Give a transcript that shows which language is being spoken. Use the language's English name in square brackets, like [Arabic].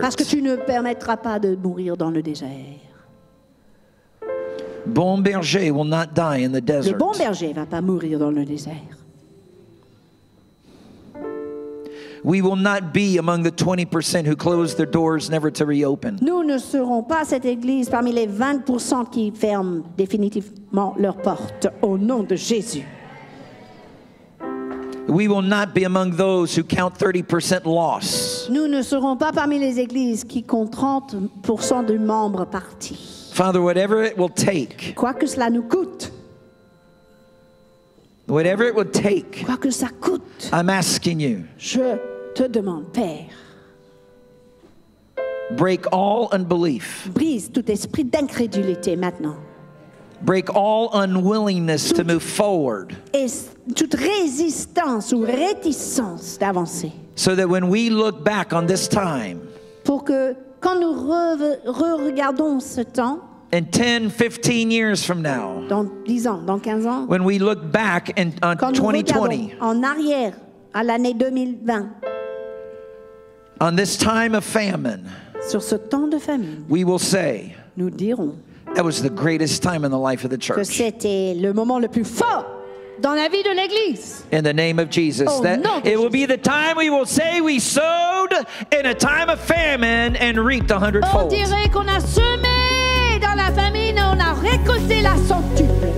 [French] Parce que tu ne permettras pas de mourir dans le désert. [English] Bon berger will not die in the desert. [French] Le bon berger va pas mourir dans le désert. [English] We will not be among the 20% who close their doors never to reopen. [French] Nous ne serons pas cette église parmi les 20% qui ferment définitivement leurs portes au nom de Jésus. [English] We will not be among those who count 30% loss. [French] Nous ne serons pas parmi les églises qui comptent 30% de membres partis. [English] Father, whatever it will take. [French] Quoi que cela nous coûte. [English] Whatever it will take. [French] Quoi que ça coûte. [English] I'm asking you. [French] Je te demande, Père. [English] Break all unbelief. [French] Brise tout esprit d'incrédulité maintenant. [English] Break all unwillingness to move forward. [French] Toute résistance ou réticence d'avancer. [English] So that when we look back on this time. [French] Pour que quand nous re-regardons ce temps, [English] in 10, 15 years from now, [French] dans 10 ans, dans 15 ans, [English] when we look back in, on [French] quand [English] 2020, [French] nous regardons en arrière à l'année 2020, [English] on this time of famine, [French] sur ce temps de famine, [English] we will say, [French] nous dirons, [English] that was the greatest time in the life of the church. [French] Que c'était le moment le plus fort dans la vie de l'église. [English] In the name of Jesus. Oh, that, it will be the time we will say we sowed in a time of famine and reaped a hundredfold. [French] On dirait qu'on a semé dans la famine et on a récolté la centuple.